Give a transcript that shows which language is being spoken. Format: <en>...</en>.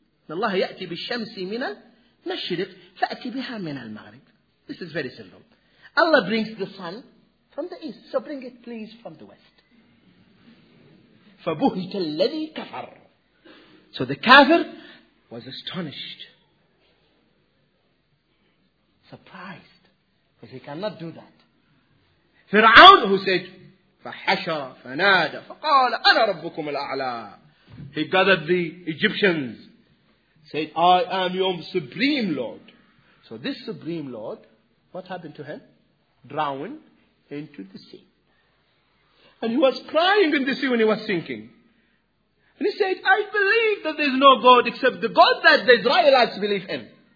<ar>Allah يأتي بالشمس من المشرق فأتي بها من المغرب.</ar> <en>This is very simple. Allah brings the sun from the east. So bring it please from the west.</en> <ar>فبهت الذي كفر.</ar> <en>So the kafir was astonished. Surprised. Because he cannot do that. Fir'aun who said,</en> <ar>فحشر فنادى فقال أنا ربكم الأعلى.</ar> <en>He gathered the Egyptians, said, I am your supreme Lord. So this supreme Lord, what happened to him? Drowned into the sea. And he was crying in the sea when he was sinking. And he said, I believe that there is no God except the God that the Israelites believe in.</en>